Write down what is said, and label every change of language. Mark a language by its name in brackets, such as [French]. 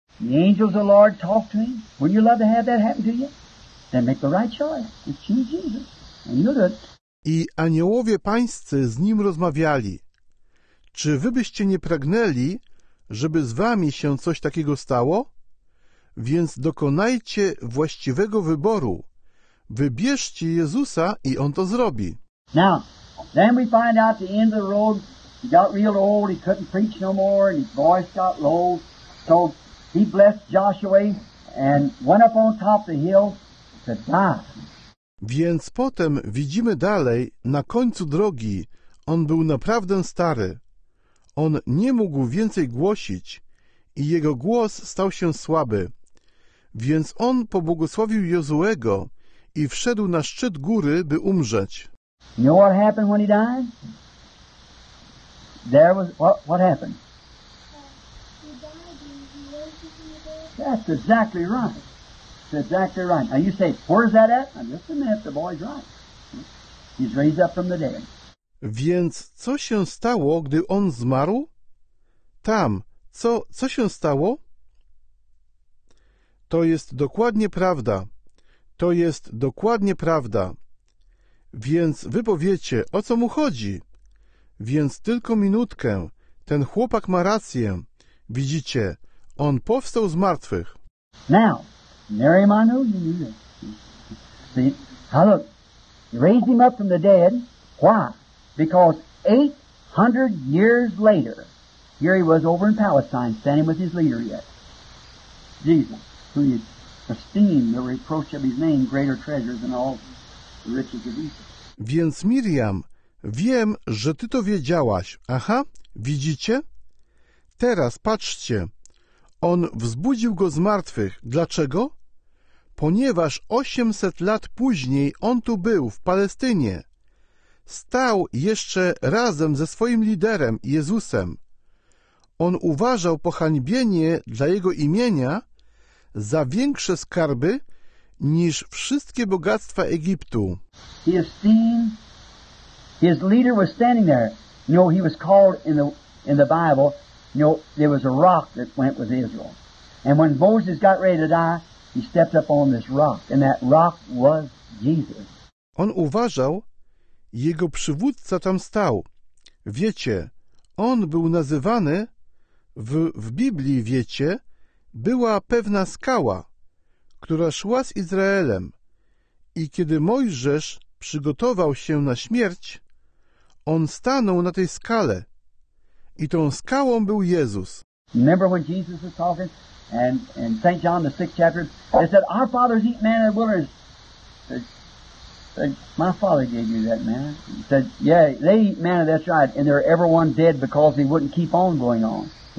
[English] The angels of the Lord talk to him. Wouldn't you love to have that happen to you? Then make the right choice. It's you, Jesus. And you'll do it. [Polish] I aniołowie pańscy z nim rozmawiali. Czy wy byście nie pragnęli, żeby z wami się coś takiego stało? Więc dokonajcie właściwego wyboru. Wybierzcie Jezusa i on to zrobi. [English] Now, then we find out the end of the road. He got real old. He couldn't preach no more. And his voice got low. So he blessed Joshua and went up on top of the hill to die. [Polish] Więc potem widzimy dalej, na końcu drogi, on był naprawdę stary. On nie mógł więcej głosić i jego głos stał się słaby. Więc on pobłogosławił Jozuego i wszedł na szczyt góry, by umrzeć. [English] You know what happened when he died? There was, what happened? That's exactly right. That's exactly right. Now you say, where's that at? Now just a minute, the boy's right. He's raised up from the dead. [Polish] Więc co się stało, gdy on zmarł? Tam, co się stało? To jest dokładnie prawda. To jest dokładnie prawda. Więc wy powiecie, o co mu chodzi? Więc tylko minutkę. Ten chłopak ma rację. Widzicie, on powstał z martwych. [English] Now, Mary, I know you knew this. See, now look, he raised him up from the dead. Why? Because 800 years later, here he was over in Palestine, standing with his leader yet. Jesus, who he esteemed the reproach of his name greater treasure than all the riches of Egypt. [Polish] Więc Miriam, wiem, że ty to wiedziałaś. Aha, widzicie? Teraz patrzcie. On wzbudził go z martwych. Dlaczego? Ponieważ 800 lat później on tu był, w Palestynie. Stał jeszcze razem ze swoim liderem, Jezusem. On uważał pohańbienie dla jego imienia za większe skarby niż wszystkie bogactwa Egiptu. [English] His leader was standing there. You know, he was called in the Bible. You know, there was a rock that went with Israel. And when Moses got ready to die, he stepped up on this rock. And that rock was Jesus. [Polish] On uważał, jego przywódca tam stał. Wiecie, on był nazywany, w Biblii, wiecie, była pewna skała, która szła z Izraelem. I kiedy Mojżesz przygotował się na śmierć, on stanął na tej skale i tą skałą był Jezus. [English] Remember when Jesus was talking and St. John, the 6th chapter, they said, our fathers eat manna in the wilderness. My father gave you that manna. He said, yeah, they eat manna, that's right. And they're everyone dead because they wouldn't keep on going on.